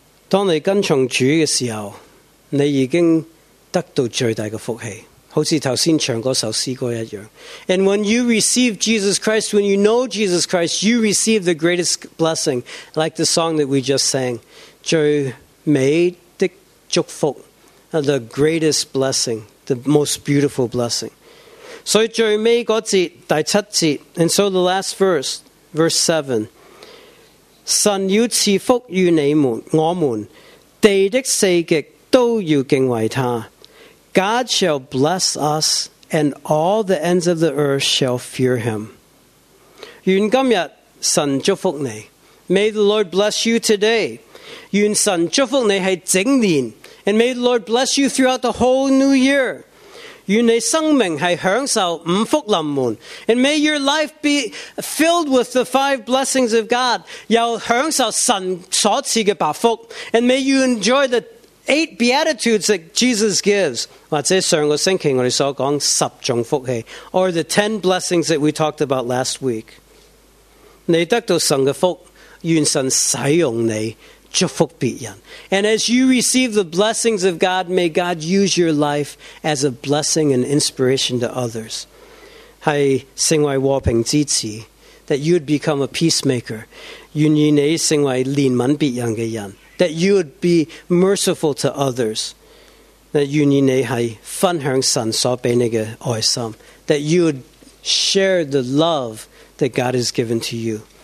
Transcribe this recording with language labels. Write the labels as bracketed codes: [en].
[yue] 当你跟从主的时候，你已经得到最大的福气。好似头先唱嗰首诗歌一样。 [en] And when you receive Jesus Christ, when you know Jesus Christ, you receive the greatest blessing. Like the song that we just sang, [yue] 最美的祝福 [en] the greatest blessing, the most beautiful blessing. [yue] 所以最美嗰节第七节 [en] And so the last verse, verse 7, [yue] 神要赐福于你们，我们地的四极都要敬畏他。 [en] God shall bless us, and all the ends of the earth shall fear him. [yue] 愿今日神祝福你。 [en] May the Lord bless you today. [yue] 愿神祝福你是整年。 [en] And may the Lord bless you throughout the whole new year. [yue] 愿你生命是享受五福临门。 [en] And may your life be filled with the five blessings of God. [yue] 要享受神所赐的百福。 [en] And may you enjoy the eight beatitudes that Jesus gives, [yue] 或者上个星期我们所讲十种福气 [en] or the 10 blessings that we talked about last week. [yue] 你得到神的福，愿神使用你，祝福别人。 [en] And as you receive the blessings of God, may God use your life as a blessing and inspiration to others. [yue] 是成为和平之子， [en] that you'd become a peacemaker. [yue] 愿意你成为怜悯别人的人。 [en] That you would be merciful to others. That you would fun hearing son so benega oi sum. That you would share the love that God has given to you.